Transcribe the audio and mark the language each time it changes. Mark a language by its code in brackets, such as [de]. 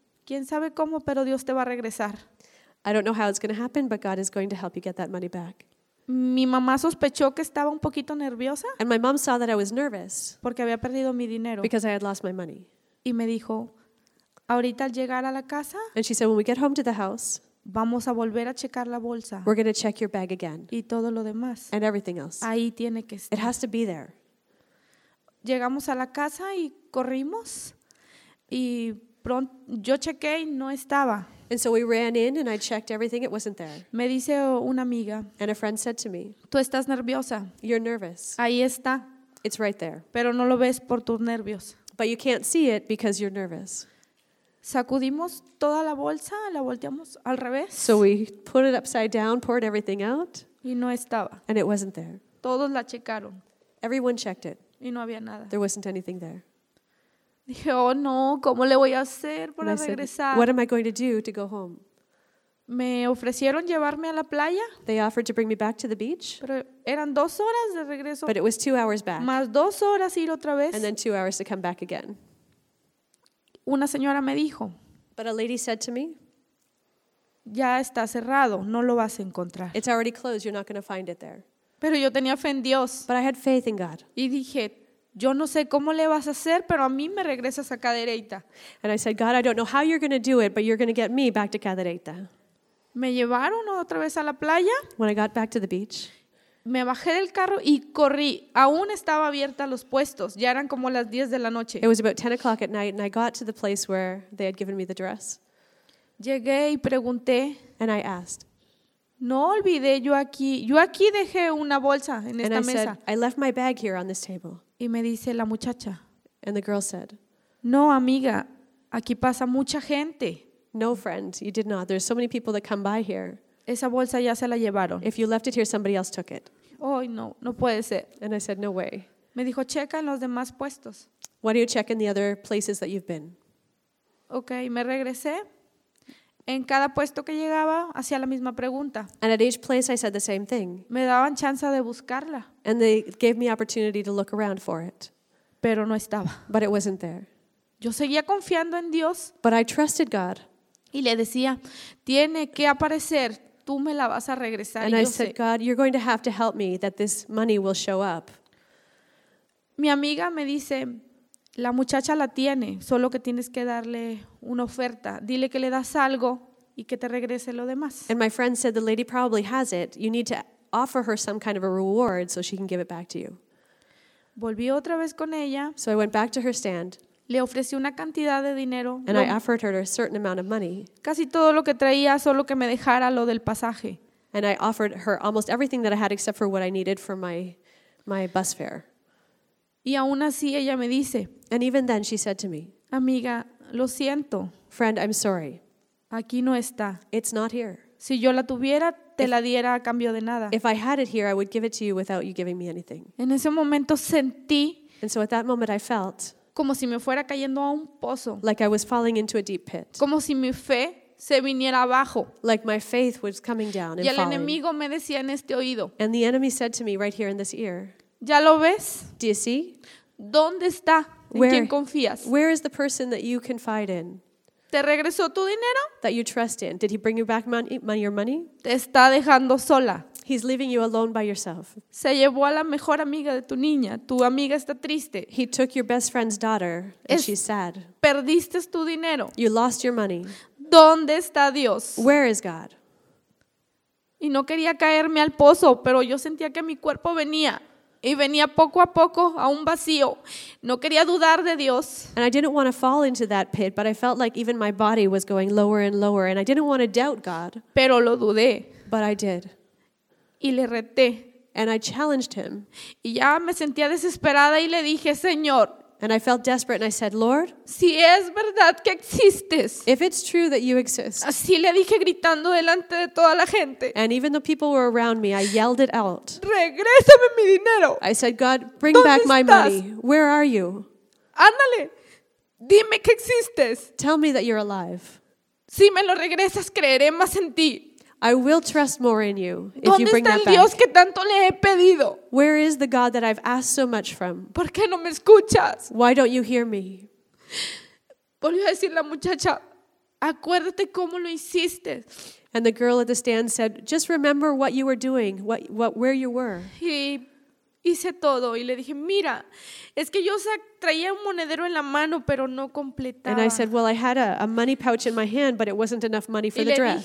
[es] ¿Quién sabe cómo, pero Dios te va a regresar? [en] I don't know how it's going to happen, but God is going to help you get that money back. [es] Mi mamá sospechó que estaba un poquito nerviosa. [en] And my mom saw that I was nervous. [es] Porque había perdido mi dinero. [en] Because I had lost my money. [es] Y me dijo, ahorita al llegar a la casa. [en] And she said, when we get home to the house. [es] Vamos a volver a checar la bolsa. [en] We're going to check your bag again. [es] Y todo lo demás. [en] And everything else. [es] Ahí tiene que estar. [en] It has to be there. [es] Llegamos a la casa y corrimos y pronto yo chequé y no estaba. [en] And so we ran in and I checked everything. It wasn't there. [es] Me dice una amiga. [en] And a friend said to me. [es] Tú estás nerviosa. [en] You're nervous. [es] Ahí está. [en] It's right there. [es] Pero no lo ves por tus nervios. [en] But you can't see it because you're nervous. [es] Sacudimos toda la bolsa, la volteamos al revés. [en] So we put it upside down, poured everything out. [es] Y no estaba. [en] And it wasn't there. [es] Todos la checaron. [en] Everyone checked it. [es] Y no había nada. [en] There wasn't anything there. [es] Dije, oh no, ¿cómo le voy a hacer para regresar? [en] What am I going to do to go home? [es] Me ofrecieron llevarme a la playa. [en] They offered to bring me back to the beach. [es] Pero eran 2 horas de regreso. [en] But it was 2 hours back. [es] Más 2 horas ir otra vez. [en] And then 2 hours to come back again. [es] Una señora me dijo. [en] But a lady said to me. [es] Ya está cerrado, no lo vas a encontrar. [en] It's already closed, you're not going to find it there. [es] Pero yo tenía fe en Dios. [en] But I had faith in God. [es] Y dije, Yo no sé cómo le vas a hacer, pero a mí me regresas a cadereita. [en] And I said, God, I don't know how you're going to do it, but you're going to get me back to cadereita. [es] Me llevaron otra vez a la playa. [en] When I got back to the beach. [es] Me bajé del carro y corrí. Aún estaba abierta los puestos. Ya eran como las 10 de la noche. [en] It was about 10 o'clock at night and I got to the place where they had given me the dress. [es] Llegué y pregunté. [en] And I asked. [es] No olvidé yo aquí dejé una bolsa en [en] and [es] esta [en] I [es] mesa. [en] And I said, I left my bag here on this table. [es] Y me dice la muchacha. [en] And the girl said, [es] no, amiga, aquí pasa mucha gente. [en] No, friend, you did not. There's so many people that come by here. [es] Esa bolsa ya se la llevaron. [en] If you left it here, somebody else took it. [es] Oh, no, no puede ser. [en] And I said, no way. [es] Me dijo, checa en los demás puestos. [en] Why do you check in the other places that you've been? [es] Okay, me regresé. En cada puesto que llegaba, hacía la misma pregunta. [en] And at each place, I said the same thing. [es] Me daban chance de buscarla. [en] And they gave me opportunity to look around for it. [es] Pero no estaba. [en] But it wasn't there. [es] Yo seguía confiando en Dios. [en] But I trusted God. [es] Y le decía, tiene que aparecer, tú me la vas a regresar. [en] And [es] yo [en] I said, [es] sé. [en] God, you're going to have to help me that this money will show up. [es] Mi amiga me dice, la muchacha la tiene, solo que tienes que darle una oferta. Dile que le das algo y que te regrese lo demás. [en] And my friend said, the lady probably has it. You need to offer her some kind of a reward so she can give it back to you. [es] Volví otra vez con ella. [en] So I went back to her stand. [es] Le ofrecí una cantidad de dinero. [en] And I offered her a certain amount of money. [es] Casi todo lo que traía, solo que me dejara lo del pasaje. [en] And I offered her almost everything that I had except for what I needed for my bus fare. [es] Y aún así ella me dice. [en] And even then she said to me. [es] Amiga, lo siento. [en] Friend, I'm sorry. [es] Aquí no está. [en] It's not here. [es] Si yo la tuviera, te la diera a cambio de nada. [en] If I had it here, I would give it to you without you giving me anything. [es] En ese momento sentí. [en] And so at that moment I felt. [es] Como si me fuera cayendo a un pozo. [en] Like I was falling into a deep pit. [es] Como si mi fe se viniera abajo. [en] Like my faith was coming down and falling. [es] Y el enemigo me decía en este oído. [en] And the enemy said to me right here in this ear. [es] ¿Ya lo ves? [en] Do you see? [es] ¿Dónde está? [en] Where, [es] ¿en quién confías? [en] Where is the person that you confide in? [es] ¿Te regresó tu dinero? [en] That you trust in. Did he bring you back money, your money? [es] Te está dejando sola. [en] He's leaving you alone by yourself. [es] Se llevó a la mejor amiga de tu niña. Tu amiga está triste. [en] He took your best friend's daughter and she's sad. [es] Perdiste tu dinero. [en] You lost your money. [es] ¿Dónde está Dios? [en] Where is God? [es] Y no quería caerme al pozo, pero yo sentía que mi cuerpo venía y venía poco a poco a un vacío. No quería dudar de Dios. [en] And I didn't want to fall into that pit, but I felt like even my body was going lower and lower and I didn't want to doubt God. [es] Pero lo dudé. [en] But I did. [es] Y le reté. [en] And I challenged him. [es] Y ya me sentía desesperada y le dije, Señor. [en] And I felt desperate and I said, Lord. [es] Si es verdad que existes. [en] If it's true that you exist. [es] Así le dije gritando delante de toda la gente. [en] And even the people were around me, I yelled it out. [es] Regrésame mi dinero. [en] I said, God, bring back [es] estás? [en] My money. Where are you? [es] Ándale. Dime que existes. [en] Tell me that you're alive. [es] Si me lo regresas, creeré más en ti. [en] I will trust more in you if you bring that back. [es] ¿Dónde está el Dios que tanto le he pedido? [en] Where is the God that I've asked so much from? [es] ¿Por qué no me escuchas? [en] Why don't you hear me? [es] Volvió a decir la muchacha, acuérdate cómo lo hiciste. [en] And the girl at the stand said, just remember what you were doing, what where you were. [es] Y hice todo y le dije, mira, es que yo traía un monedero en la mano, pero no completaba. [en] And I said, well, I had a money pouch in my hand, but it wasn't enough money for the dress.